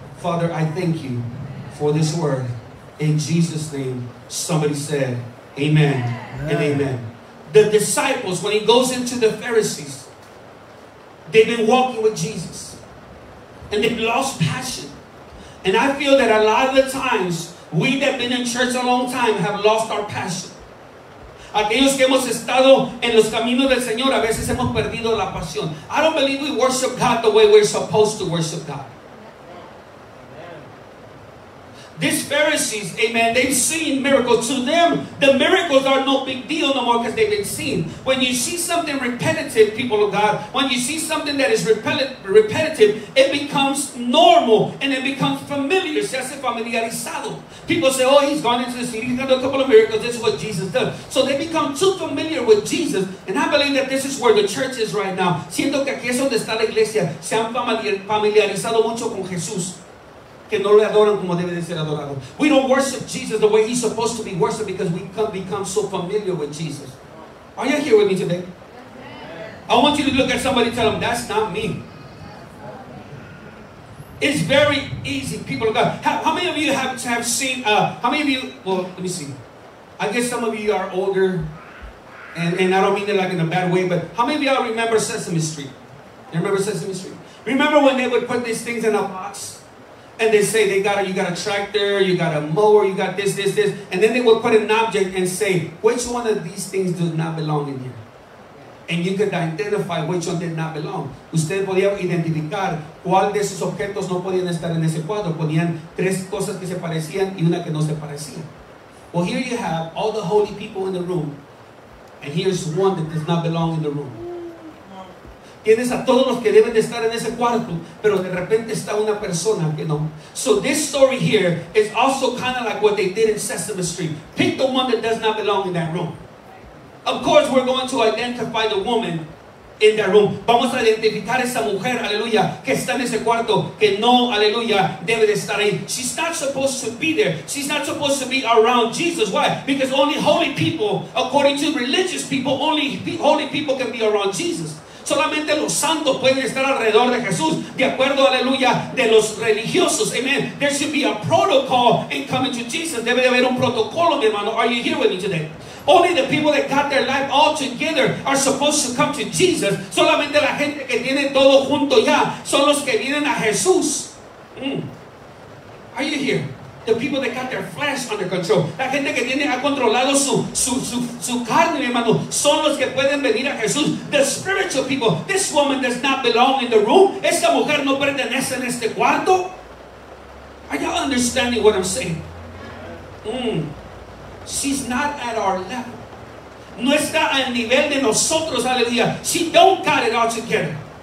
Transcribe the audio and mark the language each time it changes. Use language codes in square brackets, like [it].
[en] Father, I thank you for this word. In Jesus' name, somebody said, amen and amen. The disciples, when he goes into the Pharisees, they've been walking with Jesus. And they've lost passion. And I feel that a lot of the times, we that have been in church a long time have lost our passion. [es] Aquellos que hemos estado en los caminos del Señor, a veces hemos perdido la pasión. [en] I don't believe we worship God the way we're supposed to worship God. Amen. These Pharisees, amen, they've seen miracles. To them, the miracles are no big deal no more because they've been seen. When you see something repetitive, people of God, when you see something that is repetitive, it becomes normal and it becomes familiar. [es] Se hace familiarizado. [en] People say, oh, he's gone into the city, he's done a couple of miracles, this is what Jesus does. So they become too familiar with Jesus. And I believe that this is where the church is right now. [es] Siento que aquí es donde está la iglesia. Se han familiarizado mucho con Jesús. que no le adoran como debe de ser adorado. [en] We don't worship Jesus the way he's supposed to be worshipped because we can't become so familiar with Jesus. Are you here with me today? I want you to look at somebody and tell them, that's not me. It's very easy, people of God. How many of you have seen, let me see. I guess some of you are older, and I don't mean it like in a bad way, but how many of y'all remember Sesame Street? You remember Sesame Street? Remember when they would put these things in a box? And they say, you got a tractor, you got a mower, you got this. And then they would put an object and say, which one of these things does not belong in here? And you could identify which one did not belong. [es] Usted podía identificar cuál de esos objetos no podían estar en ese cuadro. Ponían tres cosas que se parecían y una que no se parecía. [en] Well, here you have all the holy people in the room. And here's one that does not belong in the room. [es] Tienes a todos los que deben de estar en ese cuarto, pero de repente está una persona que no. [en] So this story here is also kind of like what they did in Sesame Street. Pick the one that does not belong in that room. Of course, we're going to identify the woman in that room. [es] Vamos a identificar esa mujer, aleluya, que está en ese cuarto, que no, aleluya, debe de estar ahí. [en] She's not supposed to be there. She's not supposed to be around Jesus. Why? Because only holy people, according to religious people, only holy people can be around Jesus. [es] Solamente los santos pueden estar alrededor de Jesús, de acuerdo, aleluya, de los religiosos. [en] Amen. There should be a protocol in coming to Jesus. [es] Debe de haber un protocolo, mi hermano. [en] Are you here with me today? Only the people that got their life all together are supposed to come to Jesus. [es] Solamente la gente que tiene todo junto ya son los que vienen a Jesús. [en] Are you here? The people that got their flesh under control. [es] La gente que tiene ha controlado su carne, mi hermano, son los que pueden venir a Jesús. [en] The spiritual people. This woman does not belong in the room. [es] Esta mujer no pertenece en este cuarto. [en] Are y'all understanding what I'm saying? She's not at our level. [es] No está al nivel de nosotros, aleluya. [en] She don't got it all together.